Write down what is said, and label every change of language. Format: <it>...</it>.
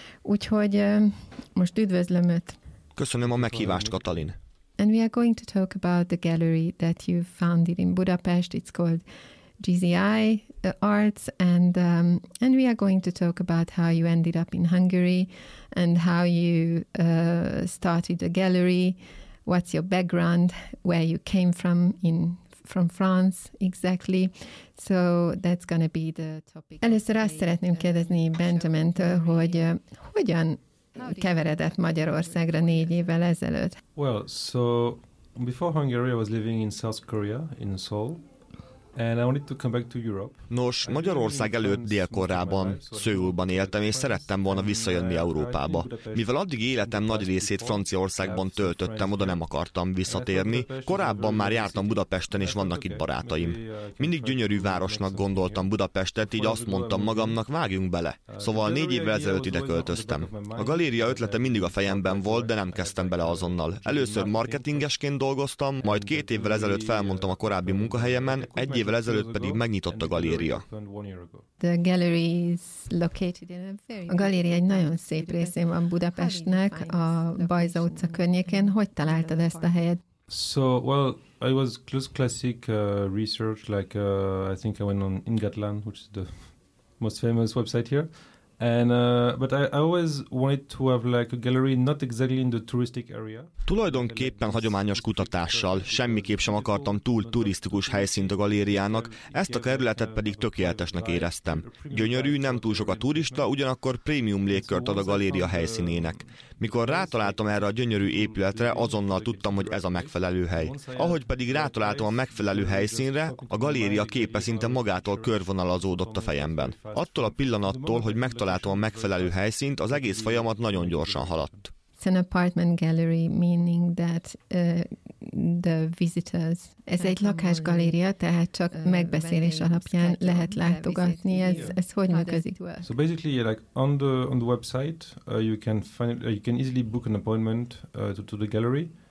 <hu>Úgyhogy most üdvözlöm Öt. Köszönöm a meghívást, Katalin.</hu> <en>And we are going to talk about the gallery that you founded in Budapest. It's called GZI Arts, and we are going to talk about how you ended up in Hungary and how you started the gallery. What's your background? Where you came from from France exactly? So that's going to be the topic.</en> <hu>Először azt szeretném kérdezni Benjamintől, hogy hogyan keveredett Magyarországra 4 évvel ezelőtt.</hu> <en>Well, so before Hungary I was living in South Korea in Seoul and I wanted to come back to Europe.</en> <hu>Nos, Magyarország előtt Dél-Koreában, Szöulban éltem és szerettem volna visszajönni Európába. Mivel addig életem nagy részét Franciaországban töltöttem, oda nem akartam visszatérni. Korábban már jártam Budapesten és vannak itt barátaim. Mindig gyönyörű városnak gondoltam Budapestet, így azt mondtam magamnak, vágjunk bele. Szóval 4 évvel ezelőtt ide költöztem. A galéria ötlete mindig a fejemben volt, de nem kezdtem bele azonnal. Először marketingesként dolgoztam, majd 2 évvel ezelőtt felmondtam a korábbi munkahelyemen, 1 évvel ezelőtt pedig megnyitott a galéria. A galéria egy nagyon szép részén van Budapestnek, a Bajza utca környékén. Hogy találtad ezt a helyet?</hu> <en>So, well, I was close classic research, like I think I went on Ingatland, which is the most famous website here. But I always wanted to have like a gallery not exactly in the touristic area.</en> <hu>Tulajdonképpen hagyományos kutatással, semmiképp sem akartam túl turisztikus helyszínt a galériának, ezt a kerületet pedig tökéletesnek éreztem. Gyönyörű, nem túl sok a turista, ugyanakkor prémium légkört ad a galéria helyszínének. Mikor rátaláltam erre a gyönyörű épületre, azonnal tudtam, hogy ez a megfelelő hely. Ahogy pedig rátaláltam a megfelelő helyszínre, a galéria képe szinte magától körvonalazódott a fejemben. Attól a pillanattól, hogy megtaláltam a megfelelő helyszínt, az egész folyamat nagyon gyorsan haladt.</hu> <en>It's an apartment gallery, meaning that the visitors.</en> <hu>Ez egy lakásgaléria, tehát csak megbeszélés alapján lehet látogatni. Ez hogy működik?</hu> <en>So basically, yeah, like on the website, you can easily book an appointment to the gallery.</en>